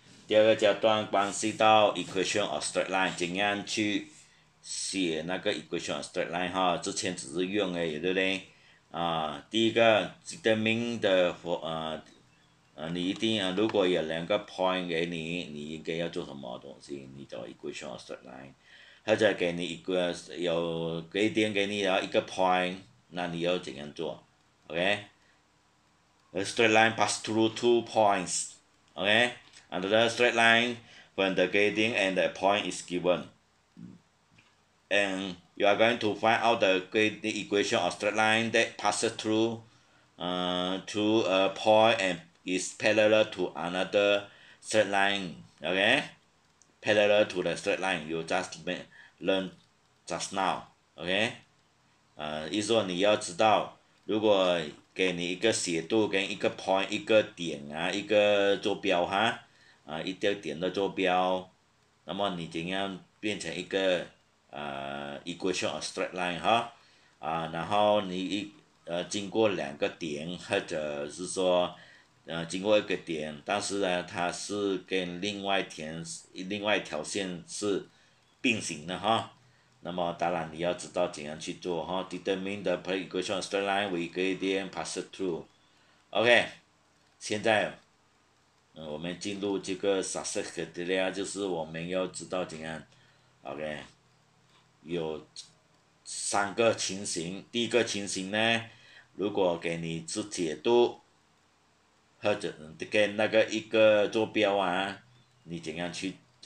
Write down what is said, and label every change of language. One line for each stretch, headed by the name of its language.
Chinese: 第二个阶段关系到 equation of straight line， 怎样去写那个 equation of straight line 哈？之前只是用而已，对不对？啊，第一个 determine 的你一定要，如果有两个 point 给你，你应该要做什么东西？你找 equation of straight line， 或者给你一个有给一点给你，然后一个 point， 那你要怎样做 ？OK？
English: A straight line pass through two points. OK? Under the straight line, when the gradient and the point is given. And you are going to find out the equation of straight line that passes through to a point and is parallel to another straight line. OK? Parallel to the straight line you just learned just now. OK?
Chinese: 意思说你要知道如果给你一个斜度跟一个 point 一个点啊一个坐标哈啊一个点的坐标，那么你怎样变成一个equation of straight line 哈啊，然后你经过两个点或者是说经过一个点，但是呢它是跟另外一条线是并行的哈。那么当然你要知道怎样去做哈
English: ，determine the equation straight line with gradient pass through。
Chinese: OK， 现在，我们进入这个 success criteria， 就是我们要知道怎样。 OK， 有三个情形，第一个情形呢，如果给你是解度，或者跟那个一个坐标啊，你怎样去。